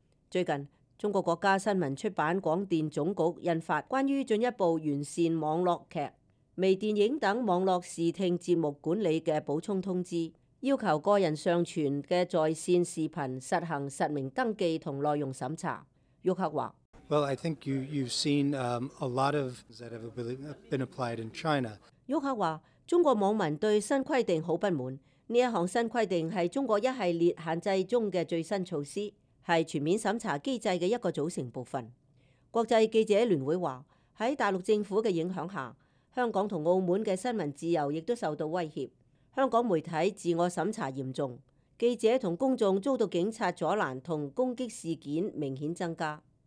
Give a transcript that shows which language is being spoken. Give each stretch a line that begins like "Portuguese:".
Chinese: 最近, 中國國家新聞出版廣電總局印發關於進一步完善網絡劇、微電影等網絡視聽節目管理的補充通知, 要求個人上傳的在線視頻實行實名登記和內容審查。玉克說,
English: Well, I think you've seen a lot of that have been applied in China.
Chinese: 玉克說, 中國網民對新規定很不滿,這項新規定是中國一系列限制中的最新措施, 是全面審查機制的一個組成部分。國際記者聯會說, 在大陸政府的影響下, 香港和澳門的新聞自由亦受到威脅, 香港媒體自我審查嚴重, 記者和公眾遭到警察阻攔和攻擊事件明顯增加。